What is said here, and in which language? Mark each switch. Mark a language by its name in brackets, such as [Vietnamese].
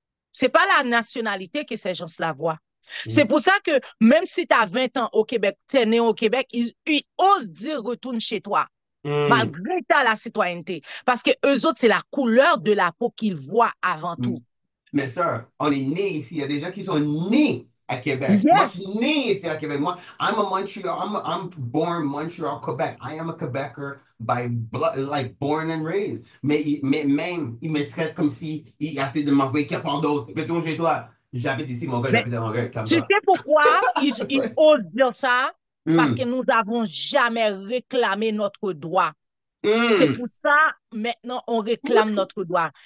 [French] Ce n'est pas la nationalité que ces gens-là voient. C'est pour ça que même si tu as 20 ans au Québec, tu es né au Québec, ils osent dire retourne chez toi, malgré que tu as la citoyenneté. Parce que eux autres, c'est la couleur de la peau qu'ils voient avant tout. Mais ça, on est né ici. Il y a des gens qui sont nés à Québec. Moi, je [English] Yes! [French] suis né ici à Québec. Moi, [English] I'm a Montreal. I'm born Montreal, Québec. I am a Quebecer by blood, like born and raised. [French] Mais même, ils me traitent comme si ils essayaient de m'envoyer quelque part d'autre. Retourne chez toi. J'habite ici, mon gars, j'habite à Montréal, comme Tu sais toi. pourquoi ils osent dire ça? Parce que nous n'avons jamais réclamé notre droit. C'est pour ça, maintenant, on réclame notre droit.